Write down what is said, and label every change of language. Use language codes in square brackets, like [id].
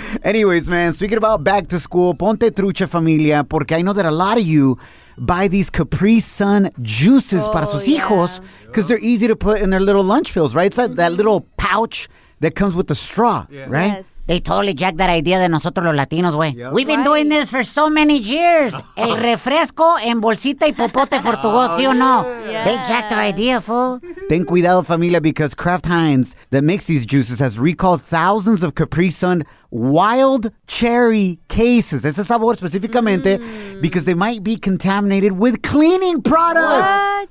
[en] Anyways, man, speaking about back to school, [es] ponte trucha, familia, [en] porque I know that a lot of you buy these Capri Sun juices [es] para sus hijos [en] because they're easy to put in their little lunch pills, right? It's like that little pouch that comes with the straw, right? Yes. They totally jacked that idea [es] de nosotros los latinos, güey. [en] Yep. We've been doing this for so many years. [es] El refresco en bolsita y popote for tu voz, ¿sí o no? [en] Yeah. They jacked our idea, fool. [es] Ten cuidado, familia, [en] because Kraft Heinz that makes these juices has recalled thousands of Capri Sun wild cherry cases. [es] Ese sabor específicamente [en] because they might be contaminated with cleaning products.